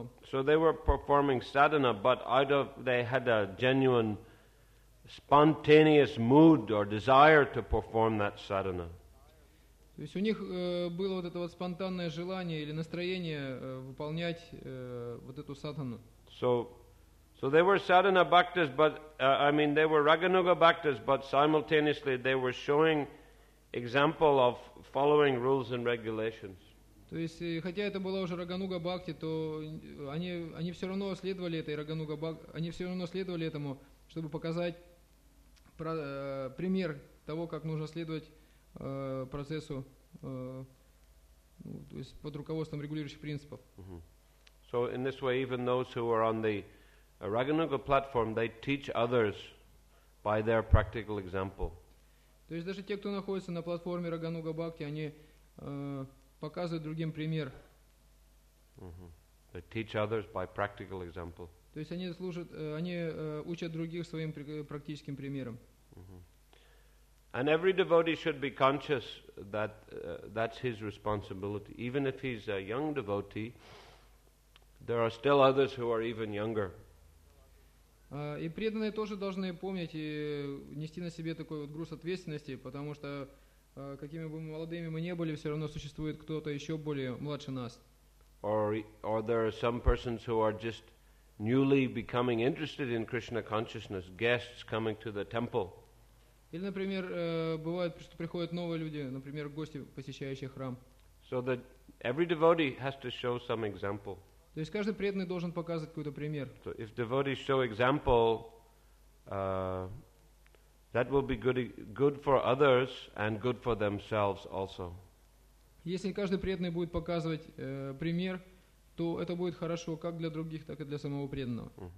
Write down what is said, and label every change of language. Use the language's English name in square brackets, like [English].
[English] So they were performing sadhana, but they had a genuine, spontaneous mood or desire to perform that sadhana. [Russian] То есть у них было вот это вот спонтанное желание или настроение выполнять вот эту садхану. [English] So they were sadhana bhaktas, but they were Raganuga bhaktas, but simultaneously they were showing example of following rules and regulations. [Russian] То есть, хотя это была уже Рагануга Бхакти, то они все равно следовали этой Рагануга Бхакти, они все равно следовали этому, чтобы показать пример того, как нужно следовать процессу то есть под руководством регулирующих принципов. [English] Mm-hmm. So in this way, even those who are on the a Raganuga platform, they teach others by their practical example. [Russian] То есть даже те, кто находится на платформе Рагануга Бхакти, они показывают другим пример. [English] They teach others by practical example. [Russian] То есть они служат, они учат других своим практическим примером. [English] And every devotee should be conscious that that's his responsibility. Even if he's a young devotee, there are still others who are even younger. [Russian] И преданные тоже должны помнить и нести на себе такой вот груз ответственности, потому что какими бы молодыми мы не были, все равно существует кто-то еще более младше нас. [English] Or there are some persons who are just newly becoming interested in Krishna consciousness, guests coming to the temple. [Russian] Или, например, бывает, что приходят новые люди, например, гости, посещающие храм. [English] So that every devotee has to show some example. [Russian] То есть каждый преданный должен показывать какой-то пример. [English] So if devotees show example, that will be good for others and good for themselves also. [Russian] Если каждый преданный будет показывать пример, то это будет хорошо как для других, так и для самого преданного.